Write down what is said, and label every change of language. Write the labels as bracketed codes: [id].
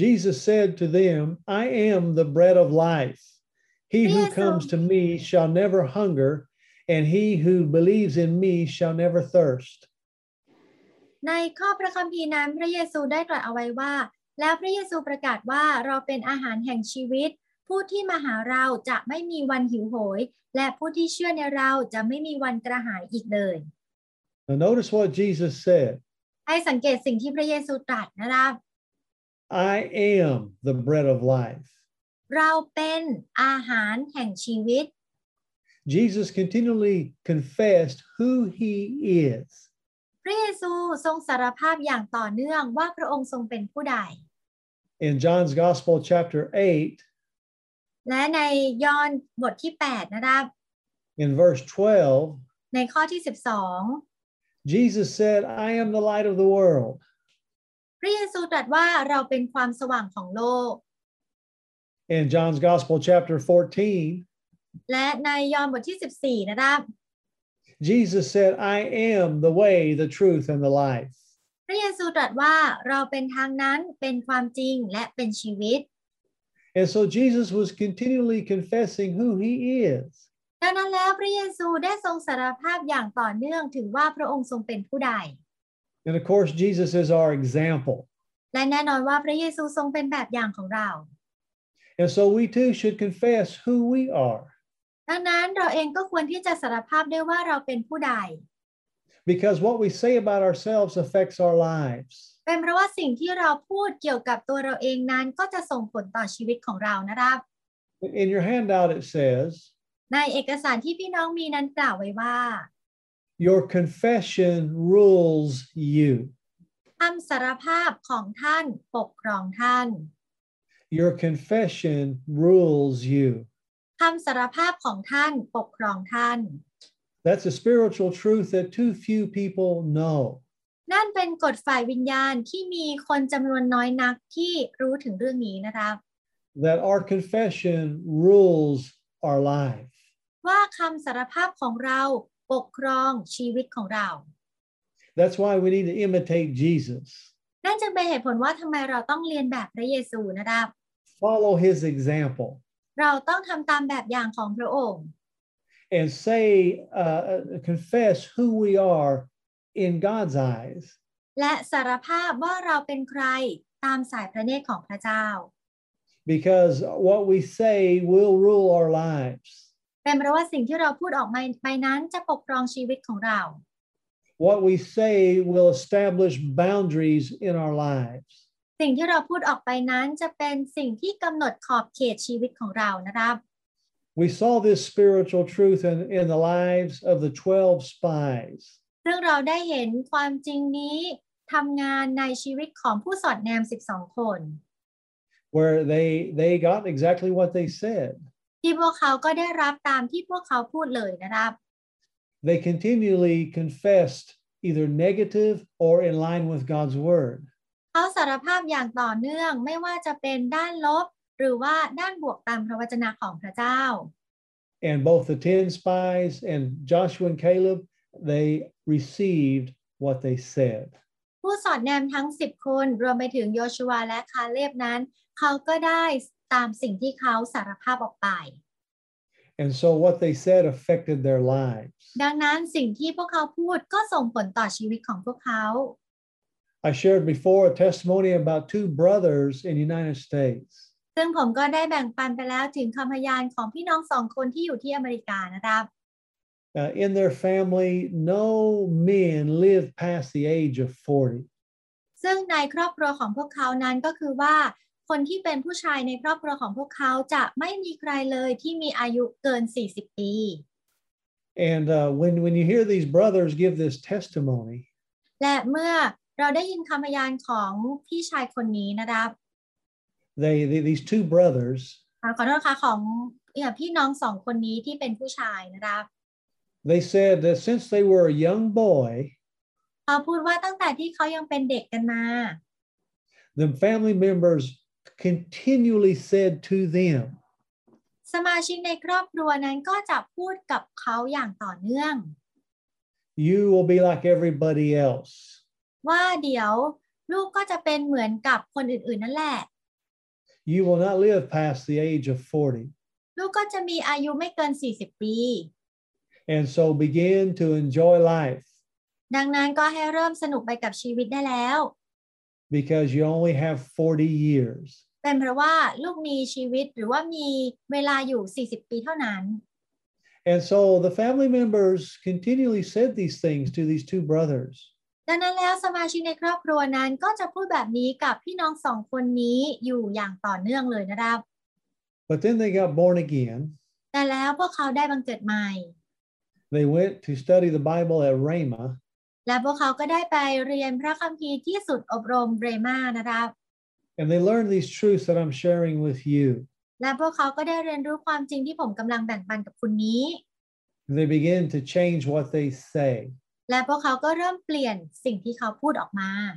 [en] Jesus said to them I am the bread of life He who comes to me shall never hunger and he who believes in me shall never thirst [th] ในข้อพระคัมภีร์นั้นพระเยซูได้ตรัสเอาไว้ว่าแล้วพระเยซูประกาศว่าเราเป็นอาหารแห่งชีวิตผู้ที่มาหาเราจะไม่มีวันหิวโหยและผู้ที่เชื่อในเราจะไม่มีวันกระหายอีกเลย [en] Now notice what Jesus said [th] ให้สังเกตสิ่งที่พระเยซูตรัสนะครับ [en] I am the bread of life [th] เราเป็นอาหารแห่งชีวิต [en] Jesus continually confessed who he is [th] พระเยซูทรงสารภาพอย่างต่อเนื่องว่าพระองค์ทรงเป็นผู้ใด [en] In John's Gospel chapter 8 [th] และในยอห์นบทที่8นะครับ [en] In verse 12 [th] ในข้อที่12 [en] Jesus said I am the light of the world [th] พระเยซูตรัสว่าเราเป็นความสว่างของโลก [en] In John's Gospel chapter 14 [th] และในยอห์นบทที่14นะครับ [en] Jesus said I am the way the truth and the life [th] พระเยซูตรัสว่าเราเป็นทางนั้นเป็นความจริงและเป็นชีวิต [en] And so Jesus was continually confessing who he is. [th] ดังนั้นแล้วพระเยซูได้ทรงสารภาพอย่างต่อเนื่องถึงว่าพระองค์ทรงเป็นผู้ใด [en] And of course Jesus is our example. [th] และแน่นอนว่าพระเยซูทรงเป็นแบบอย่างของเรา [en] And so we too should confess who we are. [th] ดังนั้นเราเองก็ควรที่จะสารภาพด้วยว่าเราเป็นผู้ใด [en] Because what we say about ourselves affects our lives. [th] เป็นเพราะว่าสิ่งที่เราพูดเกี่ยวกับตัวเราเองนั้นก็จะส่งผลต่อชีวิตของเรานะครับ [en] In your handout it says [th] ในเอกสารที่พี่น้องมีนั้นกล่าวไว้ว่า [en] Your confession rules you [th] คำสารภาพของท่านปกครองท่าน [en] Your confession rules you [th] คำสารภาพของท่านปกครองท่าน [en] That's a spiritual truth that too few people know [th] นั่นเป็นกฎฝ่ายวิญญาณที่มีคนจำนวนน้อยนักที่รู้ถึงเรื่องนี้นะครับ [en] That our confession rules our life [th] ว่าคำสารภาพของเราปกครองชีวิตของเรา [en] That's why we need to imitate Jesus [th] นั่นจึงเป็นเหตุผลว่าทำไมเราต้องเรียนแบบพระเยซูนะครับ [en] Follow his example [th] เราต้องทำตามแบบอย่างของพระองค์ [en] And say confess who we areIn God's eyes, [th] และสารภาพว่าเราเป็นใครตามสายพระเนตรของพระเจ้า [en] Because what we say will rule our lives. [th] เป็นเพราะว่าสิ่งที่เราพูดออกไปนั้นจะปกครองชีวิตของเรา [en] What we say will establish boundaries in our lives. [th] สิ่งที่เราพูดออกไปนั้นจะเป็นสิ่งที่กำหนดขอบเขตชีวิตของเรานะครับ [en] We saw this spiritual truth in the lives of the 12 spies. [th] ซึ่งเราได้เห็นความจริงนี้ทำงานในชีวิตของผู้สอดแนม12คน [en] Where they got exactly what they said [th] ที่พวกเขาก็ได้รับตามที่พวกเขาพูดเลยนะครับ [en] They continually confessed either negative or in line with God's word [th] เขาสารภาพอย่างต่อเนื่องไม่ว่าจะเป็นด้านลบหรือว่าด้านบวกตามพระวจนะของพระเจ้า [en] And both the 10 spies and Joshua and CalebThey received what they said. [th] ผู้สอดแนมทั้ง10คนรวมไปถึงโยชูวาและคาเลบนั้นเขาก็ได้ตามสิ่งที่เขาสารภาพออกไป [en] And so what they said affected their lives. [th] ดังนั้นสิ่งที่พวกเขาพูดก็ส่งผลต่อชีวิตของพวกเขา [en] I shared before a testimony about two brothers in the United States. [th] ซึ่งผมก็ได้แบ่งปันไปแล้วถึงคำพยานของพี่น้อง2คนที่อยู่ที่อเมริกานะครับ [en] In their family, no men live past the age of 40. [th] ซึ่งในครอบครัวของพวกเขานั้นก็คือว่าคนที่เป็นผู้ชายในครอบครัวของพวกเขาจะไม่มีใครเลยที่มีอายุเกิน40ปี [en] And when you hear these brothers give this testimony, [th] และเมื่อเราได้ยินคำพยานของพี่ชายคนนี้นะครับ [en] these two brothers, [th] ขอโทษค่ะของพี่น้องสองคนนี้ที่เป็นผู้ชายนะครับ [en] They said that since they were a young boy, [th] เขาพูดว่าตั้งแต่ที่เขายังเป็นเด็กกันมา [en] the family members continually said to them, [th] สมาชิกในครอบครัวนั้นก็จะพูดกับเขาอย่างต่อเนื่อง [en] You will be like everybody else [th] ว่าเดี๋ยวลูกก็จะเป็นเหมือนกับคนอื่นๆนั่นแหละ [en] You will not live past the age of 40 [th] ลูกก็จะมีอายุไม่เกิน40ปี [en] And so begin to enjoy life [th] ดังนั้นก็ให้เริ่มสนุกไปกับชีวิตได้แล้ว [en] Because you only have 40 years [th] เป็นเพราะว่าลูกมีชีวิตหรือว่ามีเวลาอยู่40ปีเท่านั้น [en] And so the family members continually said these things to these two brothers [th] ดังนั้นแล้วสมาชิกในครอบครัวนั้นก็จะพูดแบบนี้กับพี่น้องสองคนนี้อยู่อย่างต่อเนื่องเลยนะครับ [en] But then they got born again. [th] แต่แล้วพวกเขาได้บังเกิดใหม่ [en] They went to study the Bible at Rhema. [th] และพวกเขาก็ได้ไปเรียนพระคัมภีร์ที่สุดอบรม Rhema นะครับ [en] And they learned these truths that I'm sharing with you. [th] และพวกเขาก็ได้เรียนรู้ความจริงที่ผมกำลังแบ่งปันกับคุณนี้ [en] They begin to change what they say. [th] และพวกเขาก็เริ่มเปลี่ยนสิ่งที่เขาพูดออกมา